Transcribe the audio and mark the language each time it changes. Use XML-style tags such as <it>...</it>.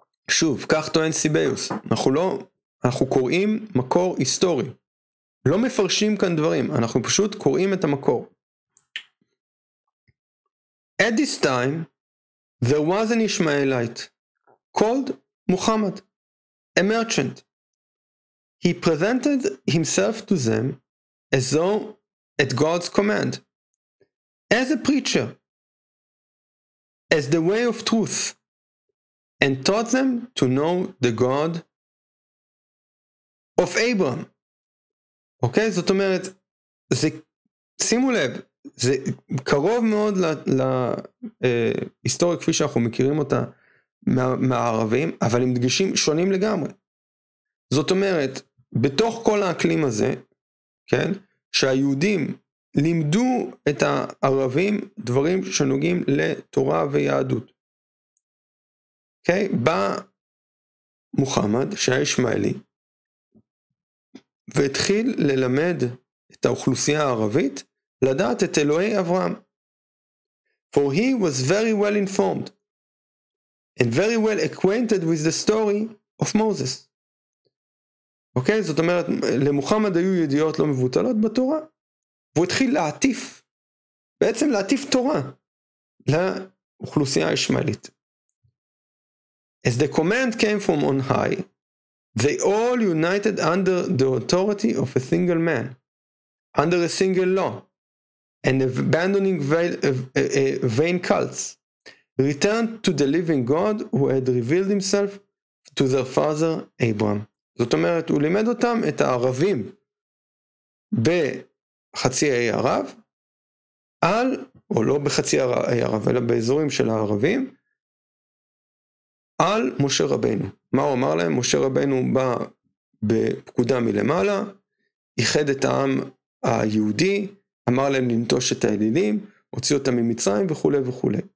<he>שוב, כך טוען סיביוס, אנחנו קוראים מקור היסטורי. לא מפרשים כאן דברים, אנחנו פשוט קוראים את המקור.</he> <en>At this time, there was an Ishmaelite called Muhammad, a merchant. He presented himself to them as though at God's command, as a preacher, as the way of truth, and taught them to know the God of Abraham.</en> <he>אוקיי? זאת אומרת, זה, שימו לב, זה קרוב מאוד להיסטוריה כפי שאנחנו מכירים אותה מהערבים, אבל עם דגשים שונים לגמרי. זאת אומרת, בתוך כל האקלים הזה, כן, שהיהודים לימדו את הערבים דברים שנוגעים לתורה ויהדות. Okay, בא מוחמד שהיה ישמעאלי והתחיל ללמד את האוכלוסייה הערבית לדעת את אלוהי אברהם.</he> <en>For he was very well informed and very well acquainted with the story of Moses.</en> <he>Okay, זאת אומרת, למוחמד היו ידיעות לא מבוטלות בתורה, והוא התחיל להטיף, בעצם להטיף תורה לאוכלוסייה הישמעאלית.</he> <en>As the command came from on high, they all united under the authority of a single man, under a single law, and abandoning vain cults, returned to the living God who had revealed himself to their father Abraham.</en> <he>זאת אומרת, הוא לימד אותם את הערבים בחצי האי ערב, או לא בחצי האי ערב, אלא באזורים של הערבים, על משה רבנו. מה הוא אמר להם? משה רבנו בא בפקודה מלמעלה, ייחד את העם היהודי, אמר להם לנטוש את האלילים, הוציא אותם ממצרים וכו' וכו'.</he>